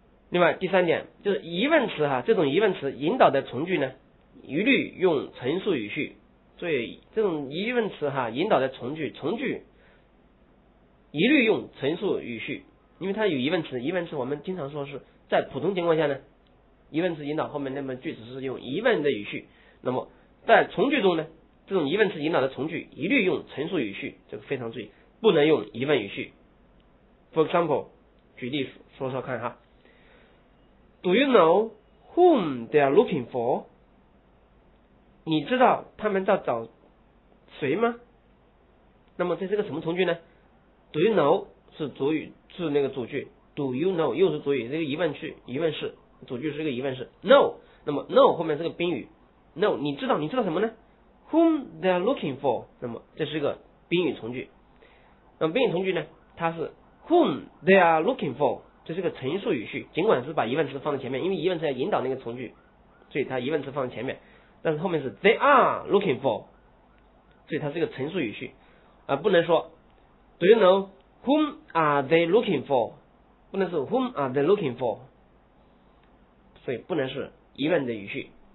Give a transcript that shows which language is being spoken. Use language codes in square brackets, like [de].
[zh] 另外第三点就是疑问词哈，这种疑问词引导的从句呢一律用陈述语序，所以这种疑问词哈引导的从句，从句一律用陈述语序，因为它有疑问词，疑问词我们经常说是在普通情况下呢疑问词引导后面那么句子是用疑问的语序，那么在从句中呢这种疑问词引导的从句一律用陈述语序，这个非常注意，不能用疑问语序。 [en] For example， [zh] 举例说说看哈， [en] Do you know whom they are looking for？ [zh] 你知道他们在找谁吗？那么这是个什么从句呢？ [en] Do you know [zh] 是主语，是那个主句， Do you know 又是主语，这个疑问句，疑问式，主句是个疑问式， No， 那么 No 后面是个宾语， No， 你知道，你知道什么呢？ [en] Whom they are looking for， [zh] 那么这是一个宾语从句，那么宾语从句呢它是 [en] whom they are looking for， [zh] 这是个陈述语序，尽管是把疑问词放在前面，因为疑问词要引导那个从句，所以它疑问词放在前面，但是后面是 [en] they are looking for， [zh] 所以它是个陈述语序，而不能说 [en] do you know whom are they looking for， [zh] 不能是 [en] whom are they looking for， [zh] 所以不能是疑问的语序。